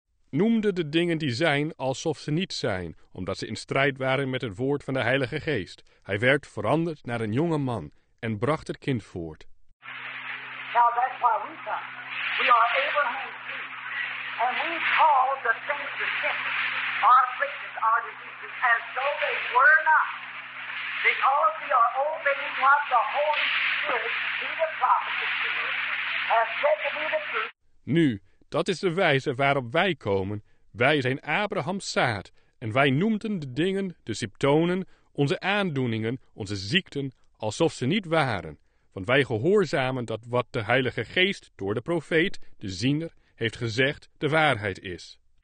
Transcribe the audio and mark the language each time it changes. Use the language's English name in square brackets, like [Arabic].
[Dutch] Noemde de dingen die zijn alsof ze niet zijn, omdat ze in strijd waren met het woord van de Heilige Geest. Hij werd veranderd naar een jonge man en bracht het kind voort. [English] Now that's why we come. We are Abraham's seed. And we call the things the sickness, our afflictions, our diseases, as though they were not. Because we are obeying what the Holy Spirit, through the prophet, has said to be the truth. [Dutch] Nu, dat is de wijze waarop wij komen. Wij zijn Abraham's zaad. En wij noemden de dingen, de symptomen, onze aandoeningen, onze ziekten, alsof ze niet waren. Want wij gehoorzamen dat wat de Heilige Geest door de profeet, de ziener, heeft gezegd, de waarheid is.